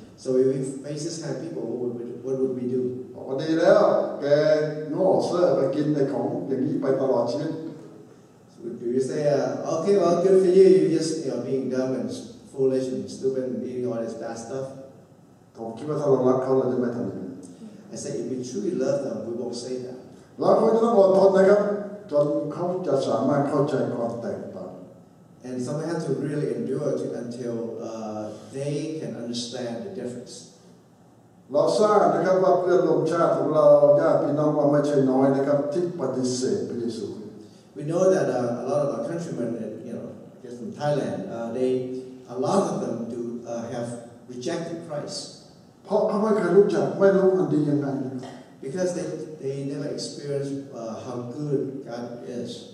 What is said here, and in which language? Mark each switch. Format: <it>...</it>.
<en>So if we face this kind of people, what would we do?</en> <th>พอดีแล้วแกง้อซะไปกินในของอย่างนี้ไปตลอดชีวิต</th> <en>Do you say, okay, well, good for you. You're just you know being dumb and foolish and stupid and eating all this bad stuff.</en> <th>ผมคิดว่าถ้าเรารักเขาเราจะไม่ทำอย่างนั้น</th> <en>I say if we truly love them, we won't say that.</en> <th>เราควรจะต้องอดทนนะครับจนเขาจะสามารถเข้าใจความแตกต่าง</th> <en>And someone has to really endure to until they can understand the difference.</en> <th>เราทราบนะครับว่าเพื่อนร่วมชาติของเราญาติพี่น้องว่าไม่ใช่น้อยนะครับที่ปฏิเสธพระเยซู</th> <en>We know that a lot of our countrymen, you know, just from Thailand, a lot of them do have rejected Christ.</en> <th>เพราะเขาไม่เคยรู้จักไม่รู้อันดียังไง</th> <en>Because they never experienced how good God is.</en>